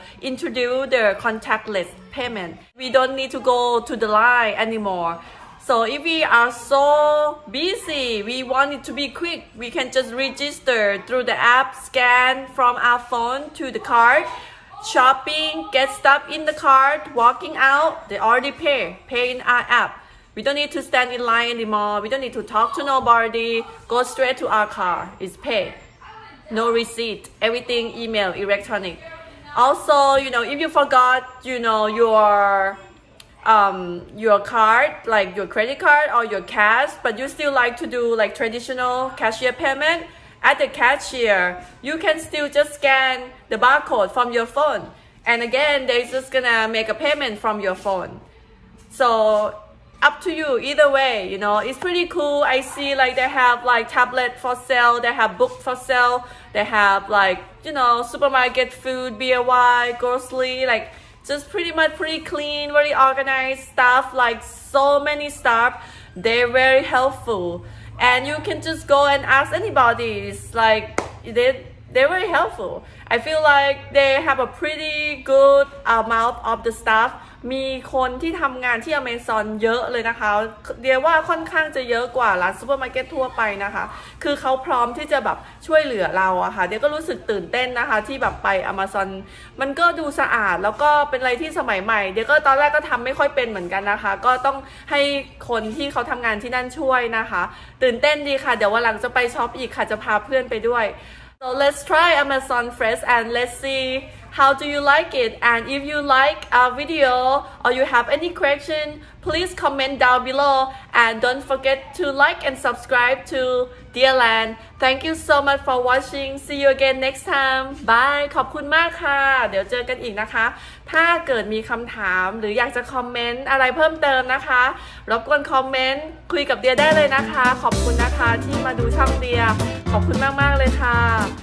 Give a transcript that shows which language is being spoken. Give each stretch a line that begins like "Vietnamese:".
English: introduce the contactless payment we don't need to go to the line anymoreSo if we are so busy, we want it to be quick, we can just register through the app, scan from our phone to the cart, shopping, get stuff in the cart, walking out, they already pay in our app. We don't need to stand in line anymore, we don't need to talk to nobody, go straight to our car, it's pay. No receipt, everything email, electronic. Also, you know, if you forgot, you know, your card, like your credit card or your cash, but you still like to do like traditional cashier payment at the cashier, you can still just scan the barcode from your phone. And again, they're just gonna make a payment from your phone. So up to you, either way, you know, it's pretty cool. I see like they have like tablet for sale, they have book for sale, they have like, you know, supermarket food, BYO, grocery, like,Just pretty much pretty clean, very organized stuff, like so many stuff. They're very helpful. And you can just go and ask anybody. It's like, they're very helpful. I feel like they have a pretty good amount of the staff.
Thai: มีคนที่ทำงานที่ Amazon เยอะเลยนะคะเรียกว่าค่อนข้างจะเยอะกว่าร้านซูเปอร์มาร์เก็ตทั่วไปนะคะคือเขาพร้อมที่จะแบบช่วยเหลือเราอะค่ะเดี๋ยวก็รู้สึกตื่นเต้นนะคะที่แบบไป Amazon มันก็ดูสะอาดแล้วก็เป็นอะไรที่สมัยใหม่เดี๋ยวก็ตอนแรกก็ทำไม่ค่อยเป็นเหมือนกันนะคะก็ต้องให้คนที่เขาทำงานที่นั่นช่วยนะคะตื่นเต้นดีค่ะเดี๋ยววันหลังจะไปช้อปอีกค่ะจะพาเพื่อนไปด้วย
English: So let's try Amazon Fresh and let's seeHow do you like it? And if you like our video or you have any question, please comment down below. And don't forget to like and subscribe to Dear Land. Thank you so much for watching. See you again next time. Bye.
Thai: ขอบคุณมากค่ะเดี๋ยวเจอกันอีกนะคะถ้าเกิดมีคำถามหรืออยากจะคอมเมนต์อะไรเพิ่มเติมนะคะรบกวนคอมเมนต์คุยกับเดียได้เลยนะคะขอบคุณนะคะที่มาดูช่องเดียขอบคุณมากๆเลยค่ะ